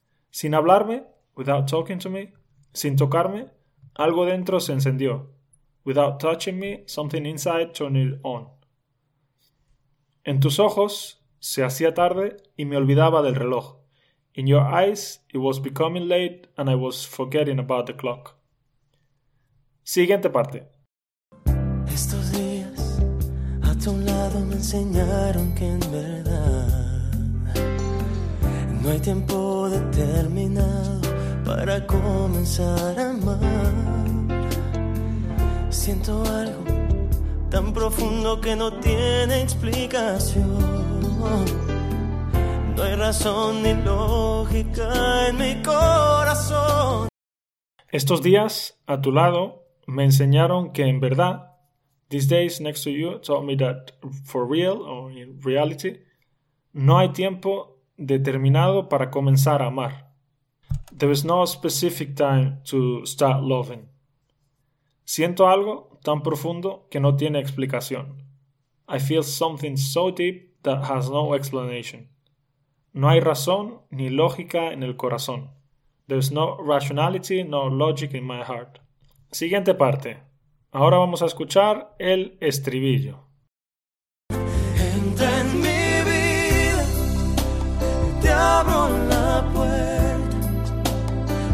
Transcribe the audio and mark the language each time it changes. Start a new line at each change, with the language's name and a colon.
Spanish: Sin hablarme,
English: without talking to me,
Spanish: sin tocarme, algo dentro se encendió.
English: Without touching me, something inside turned it on.
Spanish: En tus ojos, se hacía tarde y me olvidaba del reloj.
English: In your eyes, it was becoming late and I was forgetting about the clock.
Spanish: Siguiente parte. Estos días, a tu lado me enseñaron que en verdad no hay tiempo determinado para comenzar a amar. Siento algo tan profundo que no tiene explicación. No hay razón ni lógica en mi corazón. Estos días a tu lado me enseñaron que en verdad,
English: these days next to you taught me that for real or in reality,
Spanish: no hay tiempo determinado para comenzar a amar.
English: There is no specific time to start loving.
Spanish: Siento algo tan profundo que no tiene explicación.
English: I feel something so deep that has no explanation.
Spanish: No hay razón ni lógica en el corazón.
English: There's no rationality nor logic in my heart.
Spanish: Siguiente parte. Ahora vamos a escuchar el estribillo. Entra en mi vida, te abro la puerta.